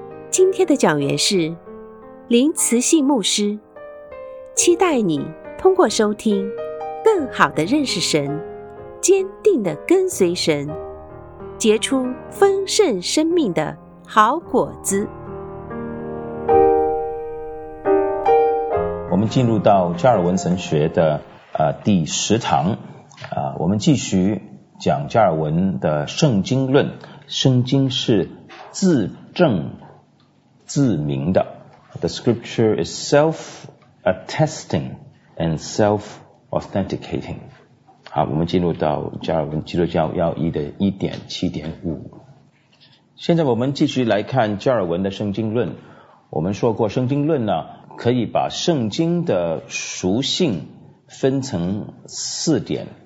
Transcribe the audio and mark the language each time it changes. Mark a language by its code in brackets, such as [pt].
[zh] 今天的讲员是林慈信牧师，期待你通过收听更好地认识神，坚定地跟随神，结出丰盛生命的好果子。我们进入到加尔文神学的第十堂我们继续讲加尔文的圣经论。圣经是自证自明的。 [en] The scripture is self-attesting and self-authenticating。 [zh] 好，我们进入到加尔文基督教要义的 1.7.5。现在我们继续来看加尔文的圣经论。我们说过，圣经论呢可以把圣经的属性分成四点。